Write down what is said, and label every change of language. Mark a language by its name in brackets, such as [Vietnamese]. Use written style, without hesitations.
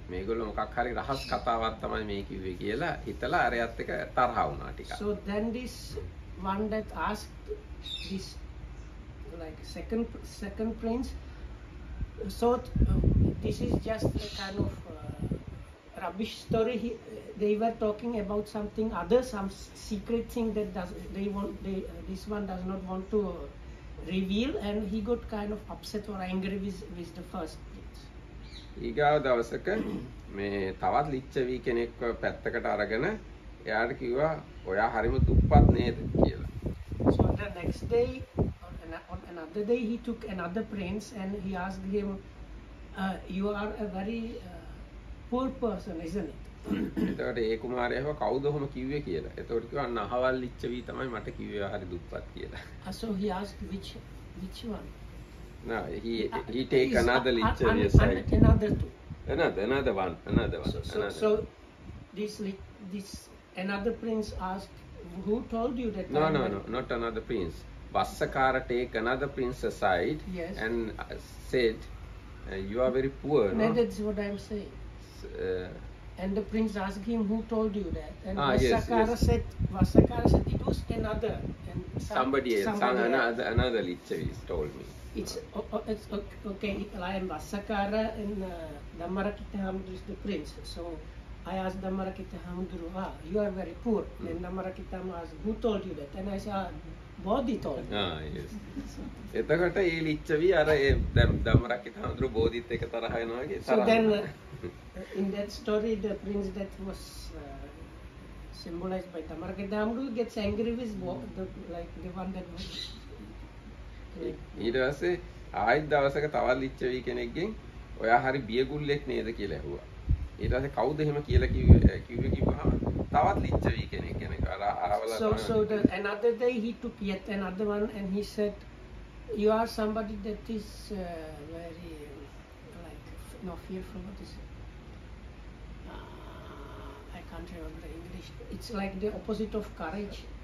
[Sinhala] මේගොල්ලෝ මොකක් හරි රහස් කතාවක් තමයි මේ කිව්වේ කියලා හිතලා අරයත් එක තරහ වුණා ටිකක්. [English] So then this one that asked this like second prince thought this is just a kind of rubbish story. They were talking about something other, some secret thing that does they want they this one does not want to reveal, and he got kind of upset or angry with the first prince. [Sinhala] ඊගාව දවසක මේ තවත් ලිච්ඡවි කෙනෙක්ව පැත්තකට අරගෙන එයාට කිව්වා ඔයා හරිම දුප්පත් නේද කියලා. [English] So the next day on another day he took another prince and he asked him you are a very poor person isn't it? [Sinhala] එතකොට ඒ කුමාරයා හව කවුද ඔහොම කිව්වේ කියලා. එතකොට කිව්වා නහවල් ලිච්ඡවි තමයි මට කිව්වේ හරි දුප්පත් කියලා. [English] So he asked which one? No, he take another Licchavi aside. Another one. So this another prince asked, who told you that? No, not another prince. Vassakara take another prince aside, yes, and said, you are very poor. No, that's what I'm saying. And the prince asked him, who told you that? And Vassakara said, it was another. And somebody else, another lichavi told me. It's okay, I am Vassakara and Dhammarakita Hamudra is the prince. So I asked Dhammarakita Hamudra, you are very poor. Hmm. And Dhammarakita Hamudra asked, who told you that? And I said, [Sinhala] බෝධි තෝ. එතකොට ඒ ලිච්ඡවි අර ඒ දම්රක් ඉතනඳු බෝධිත් එක තරහ වෙනවා වගේ. [English] So then in that story the prince that was symbolized by Dhammarak Dhammudu gets angry with the one that was. [Sinhala] ඊට පස්සේ ආයි දවසක තවත් ලිච්ඡවි කෙනෙක්ගෙන් ඔයා හරි බියගුල්ලෙක් නේද කියලා ඇහුවා. ඊට පස්සේ කවුද එහෙම කියලා කිව්වහම තවත් ලිච්ඡවි කෙනෙක් [English] So the another day he took yet another one and he said, you are somebody that is very like not fearful, what is it? I can't remember the English. It's like the opposite of courage.